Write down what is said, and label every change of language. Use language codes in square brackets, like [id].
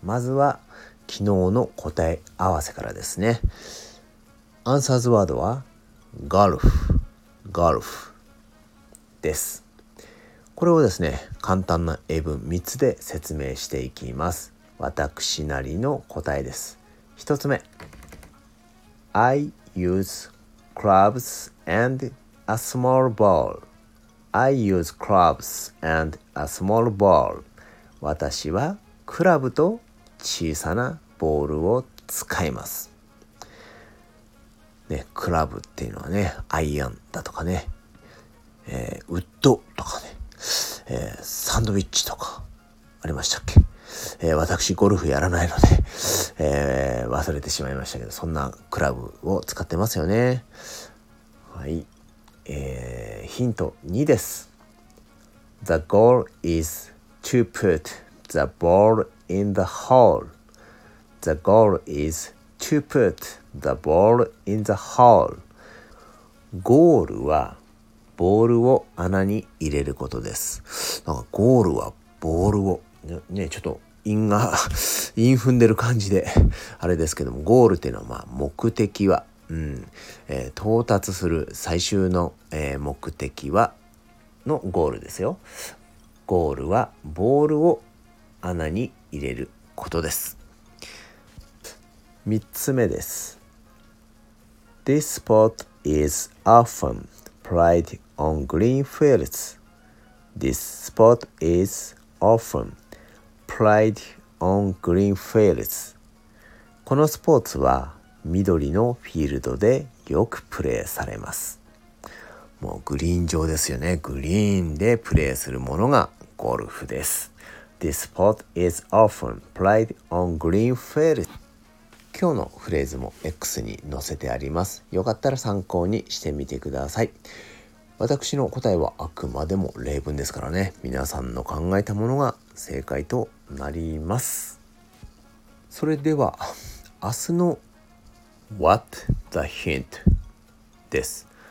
[ja] まずは昨日の答え合わせからですね。アンサーズワードはガルフです。これをですね、簡単な英文3つで説明していきます。私なりの答えです。 1つ目、 [en] I use clubs and a small ball. I use clubs and a small ball. [ja] 私はクラブと小さなボールを使います。ね、クラブっていうのはね、アイアンだとかね、ウッドとかね、サンドウィッチとかありましたっけ。私ゴルフやらないので、忘れてしまいましたけど、そんなクラブを使ってますよね。はい、ヒント2です。 [en] The goal is to put the ball in the hole. The goal is to put the ball in the hole. [ja] ゴールはボールを穴に入れることです。なんかゴールはボールを ちょっと韻踏んでる感じであれですけども、ゴールっていうのは、まあ、目的は、到達する最終の、目的はのゴールですよ。ゴールはボールを穴に入れることです。 3つ目です。 [en] This sport is often played on green fields. This sport is often played on green fields. [ja] このスポーツは緑のフィールドでよくプレーされます。もうグリーン上ですよね。グリーンでプレーするものがゴルフです。 [en] This sport is often played on green fields. [ja] 今日のフレーズも X に載せてあります。よかったら参考にしてみてください。私の答えはあくまでも例文ですからね、皆さんの考えたものが正解となります。それでは明日の [en] What the hint [ja] です。